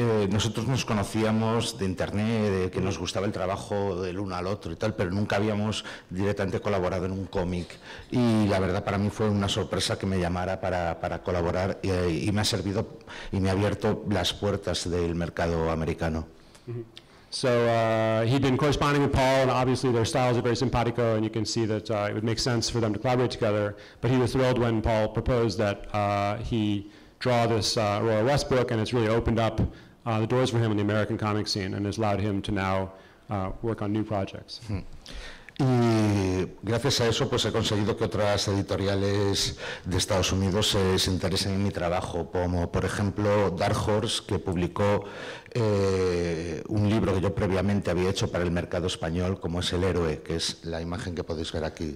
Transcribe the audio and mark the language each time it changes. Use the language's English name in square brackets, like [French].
[Spanish] Nosotros nos conocíamos de internet, de que nos gustaba el trabajo del uno al otro y tal, pero nunca habíamos directamente colaborado en un cómic. Y la verdad, para mí fue una sorpresa que me llamara para colaborar, y me ha servido y me ha abierto las puertas del mercado americano. Mm-hmm. [English] So he'd been corresponding with Paul, and obviously their styles are very simpatico, and you can see that it would make sense for them to collaborate together. But he was thrilled when Paul proposed that he draw this Aurora West book, and it's really opened up the doors for him in the American comic scene, and has allowed him to now work on new projects. Hmm. [Spanish] Y gracias a eso, pues he conseguido que otras editoriales de Estados Unidos se interesen en mi trabajo, como por ejemplo Dark Horse, que publicó un libro que yo previamente había hecho para el mercado español, como es El Héroe, que es la imagen que podéis ver aquí.